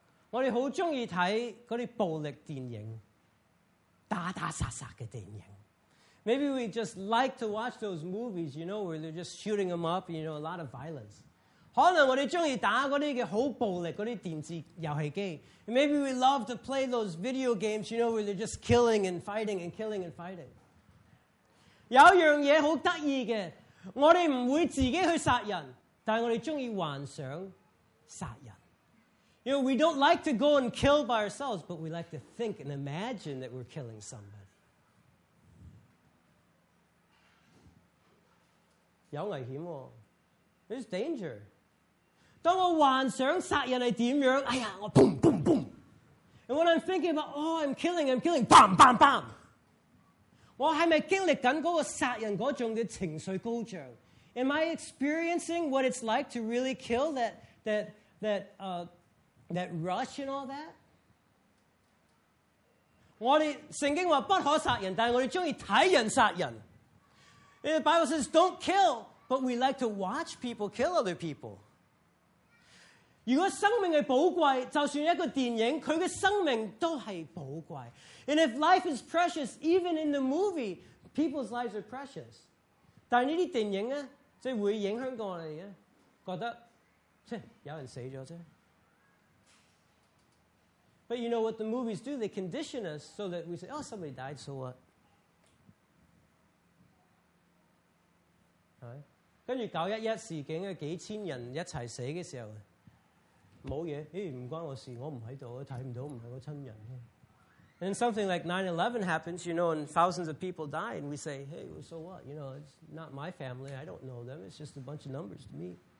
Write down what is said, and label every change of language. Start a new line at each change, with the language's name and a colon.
Chinese: 我们很喜欢看那些暴力电影,打打杀杀的电影.
English: Maybe we just like to watch those movies, you know, where they're just shooting them up, you know, a lot of violence.
Chinese: 可能我们喜欢打那些很暴力的电子游戏机.
English: Maybe we love to play those video games, you know, where they're just killing and fighting and killing and fighting.
Chinese: 有一件事很有趣的, 我们不会自己去杀人, 但我们喜欢幻想杀人.
English: You know, we don't like to go and kill by ourselves, but we like to think and imagine that we're killing somebody.
Chinese: 有危險喔,
English: there's danger.
Chinese: 當我幻想殺人是怎樣, 哎呀, 我 boom, boom, boom.
English: And when I'm thinking about, oh, I'm killing, bam, bam, bam.
Chinese: 我是不是經歷那個殺人那種的情緒高漲?
English: Am I experiencing what it's like to really kill that rush and all that?
Chinese: 我们圣经说不可杀人,但是我们喜欢看人杀人.
English: And the Bible says, don't kill, but we like to watch people kill other people.
Chinese: 如果生命是宝贵,就算一个电影,它的生命都是宝贵.
English: And if life is precious, even in the movie, people's lives are precious.
Chinese: 但是这些电影,会影响我们,觉得有人死了.
English: But you know what the movies do? They condition us so that we say, oh, somebody died, so what?
Chinese: 跟住911事件,幾千人一齊死的時候,沒事,不關我事,我不在,看不到,不是我親人。
English: And something like 9/11 happens, you know, and thousands of people die, and we say, hey, so what? You know, it's not my family, I don't know them, it's just a bunch of numbers to me.